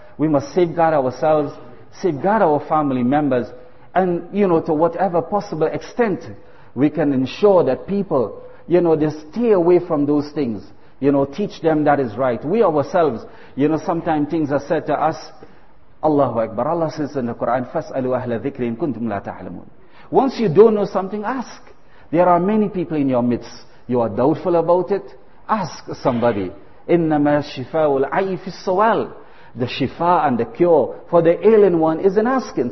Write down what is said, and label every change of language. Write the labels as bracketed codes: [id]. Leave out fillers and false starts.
[en] We must safeguard ourselves, safeguard our family members, and, you know, to whatever possible extent we can ensure that people, you know, they stay away from those things. You know, teach them that is right. We ourselves, you know, sometimes things are said to us. Allahu Akbar. Allah says in the Quran, [ar] فَاسْأَلُوا أَهْلَ ذِكْرِ إِن كُنْتُمْ لَا تَعْلَمُونَ. [en] Once you don't know something, ask. There are many people in your midst. You are doubtful about it, ask somebody. [ar] إِنَّمَا الشِّفَاءُ الْعَيِّ فِي السَّوَالِ. [en] The shifa and the cure for the ailing one is in asking.